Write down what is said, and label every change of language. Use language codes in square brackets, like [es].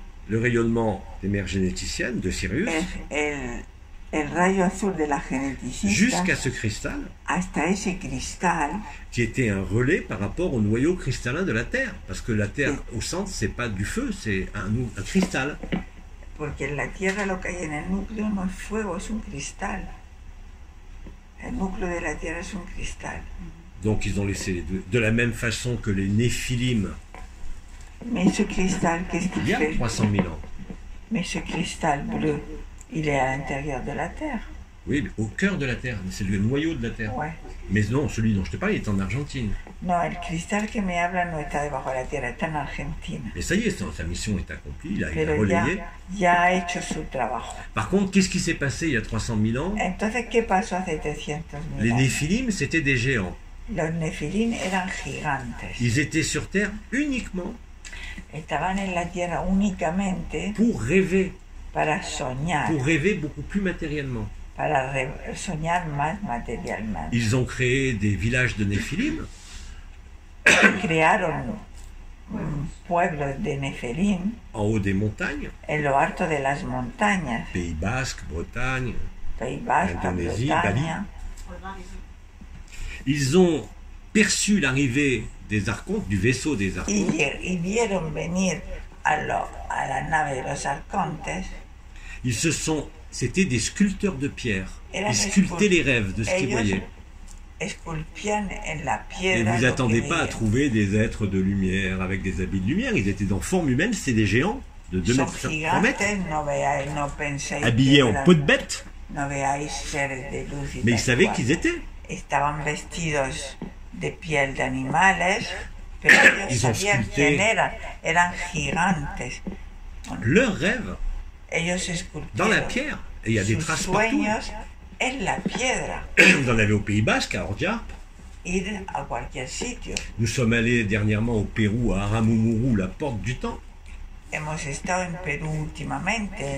[fr] le rayonnement des mères généticiennes de Sirius [es] el rayo azul de la geneticista [fr] jusqu'à ce cristal [es] hasta ese cristal [fr] qui était un relais par rapport au noyau cristallin de la Terre parce que la Terre au centre c'est pas du feu c'est un cristal [es] porque en la Tierra lo que hay en el núcleo no es fuego es un cristal el núcleo de la Tierra es un cristal. [fr] Donc ils ont laissé les deux. De la même façon que les Néphilim. Mais ce cristal, qu'est-ce qu'il fait? Il y a 300 000 ans. Mais ce cristal bleu, il est à l'intérieur de la Terre. Oui, mais au cœur de la Terre. C'est le noyau de la Terre. Ouais. Mais non, celui dont je te parle, il est en Argentine. Non, le cristal [es] que me habla no está debajo de la Tierra, está en Argentina. [fr] Mais ça y est, sa mission est accomplie, il a relayé. [es] Ya ha hecho su trabajo. [fr] Par contre, qu'est-ce qui s'est passé il y a 300 000 ans? [es] Entonces, ¿qué pasó hace 300 000 ans? [fr] Les Néphilim, c'était des géants. [es] Los Nephilim eran gigantes. [fr] Ils étaient sur terre uniquement. [es] Estaban en la tierra únicamente. [fr] Pour rêver. [es] Para soñar. [fr] Pour rêver beaucoup plus matériellement. [es] Para soñar más materialmente. [fr] Ils ont créé des villages de Nephilim. [es] Crearon pueblos de Nephilim. [fr] En haut des montagnes. [es] En lo alto de las montañas. [fr] Pays Basque, Bretagne. Pays Basque, Indonésie, Bretagne. Bali. Ils ont perçu l'arrivée des archontes, du vaisseau des archontes. Ils virent venir à la [es] nave de los archontes. [fr] Ils se sont, c'était des sculpteurs de pierre. Ils sculptaient les rêves de ce qu'ils voyaient. [es] Esculpían en la piedra. [fr] Et vous n'attendez pas à trouver des êtres de lumière avec des habits de lumière. Ils étaient en forme humaine, c'est des géants de 2 mètres 3 mètres. Habillés en peau de bête. [es] No veáis seres de luz. [fr] Mais ils savaient qui ils étaient. [es] Estaban vestidos de piel de animales, pero ellos [fr] ils [es] sabían quién eran. Eran gigantes. [fr] Leur rêve. [es] Ellos esculpieron. [fr] Dans la pierre. Et il y a des traces [es] sueños [fr] partout. [es] En la piedra. [fr] Vous en avez au Pays Basque, à Ordiarp. [es] Ir a cualquier sitio. [fr] Nous sommes allés dernièrement au Pérou, à Aramumuru, la porte du temps. [es] Hemos estado en Perú últimamente.